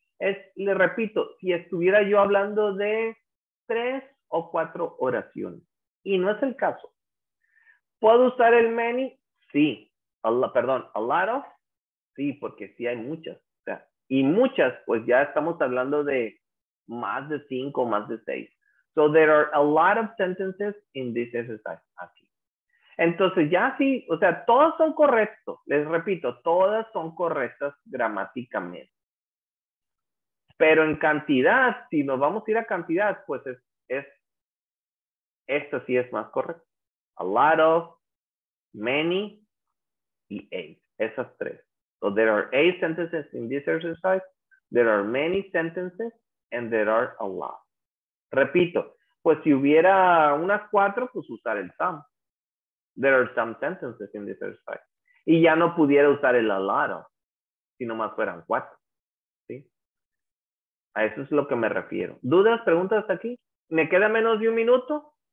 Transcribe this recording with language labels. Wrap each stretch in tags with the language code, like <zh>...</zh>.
<es>Es, le repito, si estuviera yo hablando de 3 o 4 oraciones. Y no es el caso. ¿Puedo usar el many? Sí. A lot of. Sí, porque sí hay muchas. O sea, y muchas, pues ya estamos hablando de más de 5, más de 6.</es> <en>So there are a lot of sentences in this exercise.</en> <es>Aquí. Entonces ya sí, o sea, todas son correctas. Les repito, todas son correctas gramáticamente. Pero en cantidad, si nos vamos a ir a cantidad, pues es esto sí es más correcto. A lot of, many, y 8. Esas 3.</es> <en>So there are 8 sentences in this exercise. There are many sentences, and there are a lot.</en> <es>Repito, pues si hubiera unas 4, pues usar el some.</es> <en>There are some sentences in this exercise.</en> <es>Y ya no pudiera usar el a lot of, si nomás fueran 4. A eso es lo que me refiero. ¿Dudas? ¿Preguntas hasta aquí? Me queda menos de un minuto.</es>